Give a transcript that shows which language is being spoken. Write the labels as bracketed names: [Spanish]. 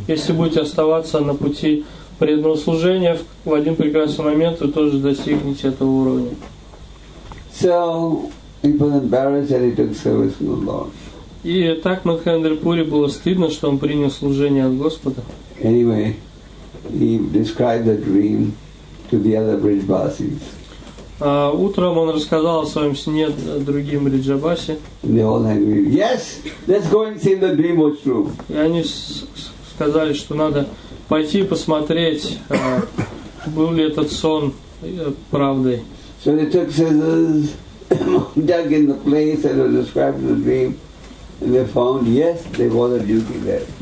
[Russian] Если будете оставаться на пути преданного служения, в один прекрасный момент вы тоже достигнете этого уровня. [English] So, he was embarrassed that he took service from the Lord. [Russian] И так Махендра Пури было стыдно, что он принял служение от Господа. [English] Anyway, he described the dream to the other Vrijabasis. [Russian] Утром он рассказал о своем сне другим Риджабаси. [English] They all agreed. Yes, let's go and see the dream was true. [Russian] И они сказали, что надо пойти посмотреть, был ли этот сон правдой. [English] So they took scissors, dug in the place and described the dream, and they found yes, there was a duty there.